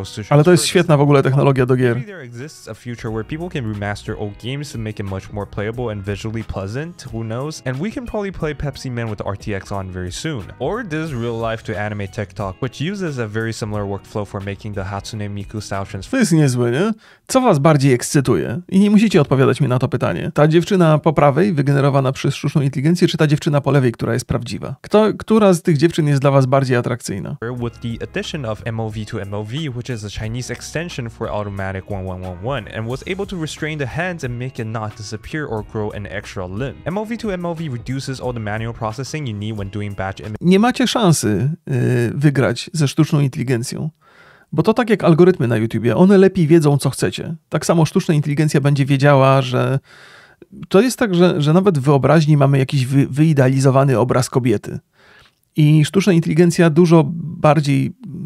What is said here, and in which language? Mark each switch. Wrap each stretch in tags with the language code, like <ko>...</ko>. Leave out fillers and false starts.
<pl>Ale to jest świetna w ogóle technologia do gier.</pl> <en>There exists a future where people can remaster old games to make it much more playable and visually pleasant. Who knows? And we can probably play Pepsi Man with RTX on very soon. Or this real life to anime TikTok, which uses a very similar workflow for making the Hatsune Miku style transfer.</en> <pl>To jest niezłe, nie? Co was bardziej ekscytuje? I nie musicie odpowiadać mi na to pytanie. Ta dziewczyna po prawej, wygenerowana przez sztuczną inteligencję, czy ta dziewczyna po lewej, która jest prawdziwa? Która z tych dziewczyn jest dla was bardziej atrakcyjna?</pl> <en>With the addition of MOV to MOV, which is a Chinese extension for automatic 1111, and was able to restrain the hands and make it not disappear or grow an extra limb. MOV to MOV reduces all the manual processing you need when doing batch.</en> <pl>Nie macie szansy wygrać ze sztuczną inteligencją. Bo to tak jak algorytmy na YouTubie, one lepiej wiedzą, co chcecie. Tak samo sztuczna inteligencja będzie wiedziała, że. To jest tak, że nawet w wyobraźni mamy jakiś wyidealizowany obraz kobiety. I sztuczna inteligencja dużo bardziej</pl>